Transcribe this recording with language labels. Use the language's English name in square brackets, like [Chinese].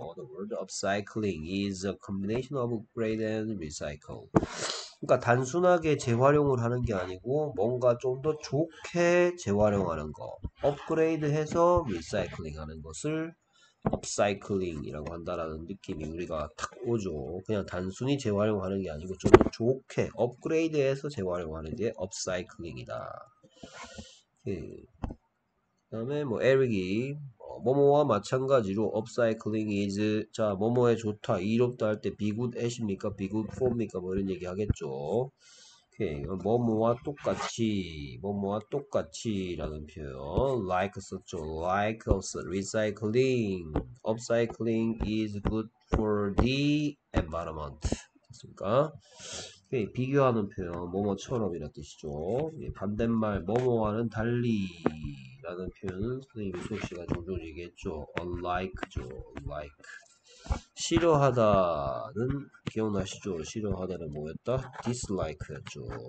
[English] The word upcycling is a combination of upgrade and recycle. [Korean] 그러니까 단순하게 재활용을 하는 게 아니고, 뭔가 좀더 좋게 재활용하는 거. upgrade해서 recycling 하는 것을 업사이클링이라고 한다라는 느낌이 우리가 딱 오죠. 그냥 단순히 재활용하는 게 아니고 좀 좋게 업그레이드해서 재활용하는 게 업사이클링이다. 그다음에 뭐 에릭이 뭐뭐와 마찬가지로 업사이클링 이즈 자 뭐뭐에 좋다 이롭다 할때 비굿 앳입니까 비굿 폼입니까 뭐 이런 얘기 하겠죠. 뭐뭐와 똑같이 뭐뭐와 똑같이라는 표현 like 썼죠. [English] like of recycling upcycling is good for the environment 됐습니까? [Korean] 비교하는 표현 뭐뭐처럼이라는 뜻이죠. 반대말 뭐뭐와는 달리라는 표현은 선생님이 수업 시간에 종종 얘기했죠. unlike죠. like 싫어하다는 기억나시죠? 싫어하다는 뭐였다? dislike였죠.